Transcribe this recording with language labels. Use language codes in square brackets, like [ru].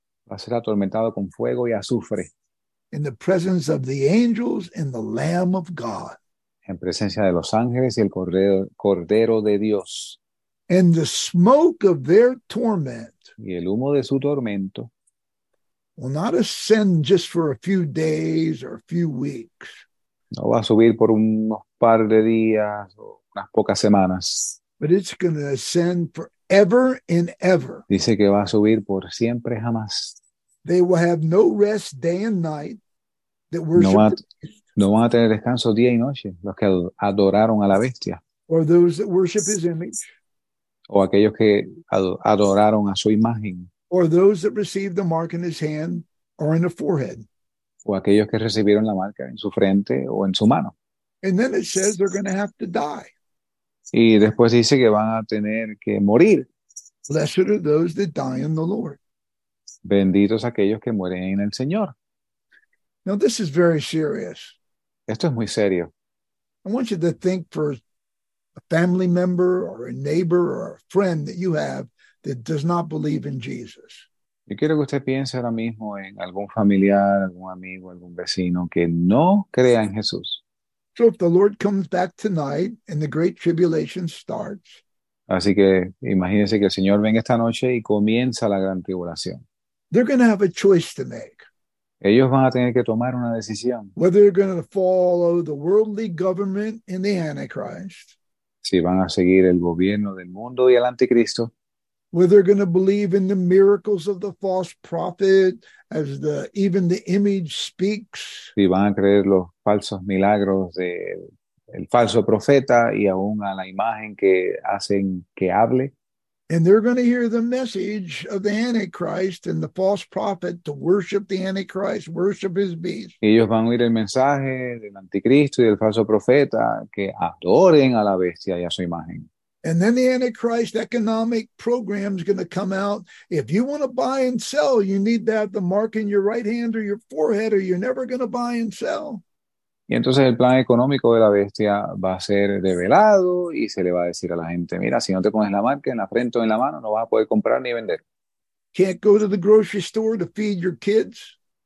[es] Va a ser atormentado con fuego y azufre. [en] in the presence of the angels and the Lamb of God. [es] En presencia de los ángeles y el cordero de Dios. [en] And the smoke of their torment [es] Y el humo de su tormento. [en] will not ascend just for a few days or a few weeks. [es] No va a subir por unos par de días o unas pocas semanas. [en] But it's going to ascend forever and ever. [es] Dice que va a subir por siempre jamás. [en] They will have no rest day and night that worship [es] no, no van a tener descanso día y noche los que adoraron a la bestia. [en] Or those that worship his image. [es] O aquellos que adoraron a su imagen. [en] Or those that receive the mark in his hand or in the forehead. [es] O aquellos que recibieron la marca en su frente o en su mano. [en] And then it says they're going to have to die. [es] Y después dice que van a tener que morir. [en] Blessed are those that die in the Lord. [es] Benditos aquellos que mueren en el Señor. [en] Now this is very serious. [es] Esto es muy serio. [en] I want you to think for a family member or a neighbor or a friend that you have that does not believe in Jesus. [es] Yo quiero que usted piense ahora mismo en algún familiar, algún amigo, algún vecino que no crea en Jesús. [en] So if the Lord comes back tonight and the great tribulation starts. [es] Así que imagínese que el Señor venga esta noche y comienza la gran tribulación. [en] They're going to have a choice to make. [es] Ellos van a tener que tomar una decisión. [en] Whether they're going to follow the worldly government and the Antichrist. [es] Si van a seguir el gobierno del mundo y el anticristo. [en] Whether they're going to believe in the miracles of the false prophet, as the even the image speaks. [es] Si van a creer los falsos milagros de el falso profeta y aún a la imagen que hacen que hable. [en] And they're going to hear the message of the Antichrist and the false prophet to worship the Antichrist, worship his beast. [es] Ellos van a oír el mensaje del anticristo y del falso profeta que adoren a la bestia y a su imagen. [en] And then the Antichrist economic program is going to come out. If you want to buy and sell, you need to have the mark in your right hand or your forehead, or you're never going to buy and sell. [es] Y entonces el plan económico de la bestia va a ser revelado y se le va a decir a la gente, mira, si no te pones la marca en la frente o en la mano, no vas a poder comprar ni vender. [en] Can't go to the grocery store to feed your kids.